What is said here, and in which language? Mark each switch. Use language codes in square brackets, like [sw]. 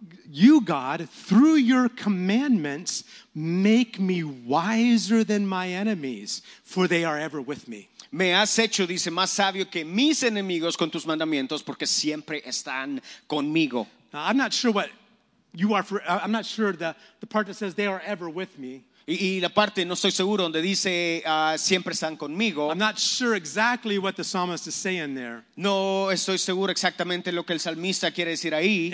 [en] You God, through your commandments, make me wiser than my enemies, for they are ever with me. [es] Me has hecho, dice, más sabio que mis enemigos con tus mandamientos, porque siempre están conmigo. [en] Now, I'm not sure what you are for. I'm not sure the part that says they are ever with me. [es] Y la parte, no estoy seguro, donde dice, siempre están conmigo. [en] I'm not sure exactly what the psalmist is saying there. [es] No estoy seguro exactamente lo que el salmista quiere decir ahí.